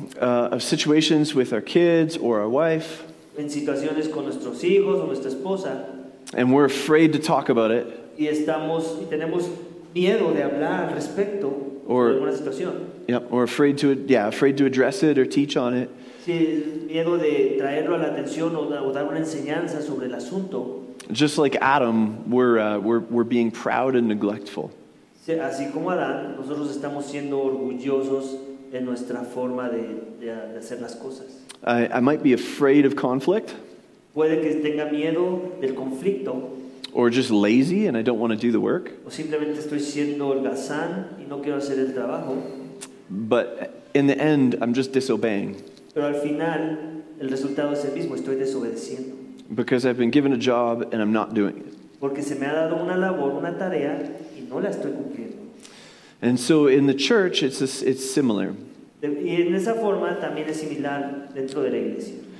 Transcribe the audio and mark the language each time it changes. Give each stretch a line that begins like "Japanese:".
English: of situations with our kids or our wife,
Spanish: en situaciones con nuestros hijos o nuestra esposa,
English: and we're afraid to talk about it,
Spanish: y tenemos miedo de hablar al respecto,
English: or
Spanish: alguna situación.
English: Yep, or afraid to address it or teach on it.
Spanish: Sí, miedo de traerlo a la atención o dar una enseñanza sobre el asunto.
English: Just like Adam, we're being proud and neglectful.
Spanish: Sí, así como Adán, nosotros estamos siendo orgullosos en nuestra forma de hacer las cosas.
English: I might be afraid of conflict.
Spanish: Puede que tenga miedo del conflicto.
English: Or just lazy and I don't want to do the work.
Spanish: O simplemente estoy siendo holgazán y no quiero hacer el trabajo.
English: But in the end, I'm just disobeying.
Spanish: Pero al final, el resultado es el mismo. Estoy desobedeciendo.
English: Because I've been given a job and I'm not doing it.
Spanish: Porque se me ha dado una labor, una tarea, y no la estoy cumpliendo.
English: And so in the church, it's similar.
Spanish: Y en esa forma, también es similar dentro de la iglesia.